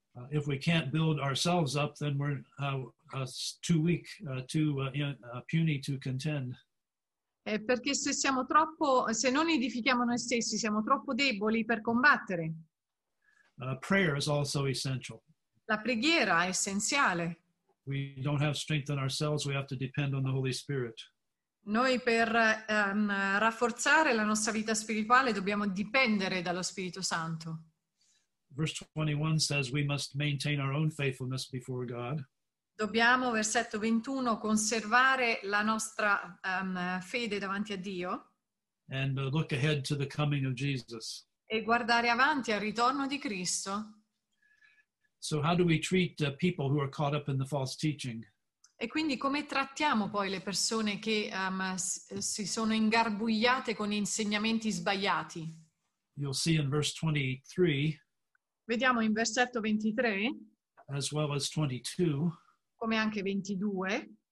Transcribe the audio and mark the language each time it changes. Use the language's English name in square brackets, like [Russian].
[English] If we can't build ourselves up, then we're too weak, puny to contend. [Italian] Perché se siamo troppo, se non edifichiamo noi stessi, siamo troppo deboli per combattere. [English] Prayer is also essential. [Italian] La preghiera è essenziale. [English] We don't have strength in ourselves, we have to depend on the Holy Spirit. [Italian] Noi per rafforzare la nostra vita spirituale dobbiamo dipendere dallo Spirito Santo. [English] Verse 21 says we must maintain our own faithfulness before God. [Italian] Dobbiamo, versetto 21, conservare la nostra fede davanti a Dio. [English] And look ahead to the coming of Jesus. [Italian] E guardare avanti al ritorno di Cristo. [English] So how do we treat people who are caught up in the false teaching? [Italian] E quindi come trattiamo poi le persone che si sono ingarbugliate con insegnamenti sbagliati? [English] You'll see in verse 23. [Italian] Vediamo in versetto 23. [English] As well as 22. [Italian] Come anche 22.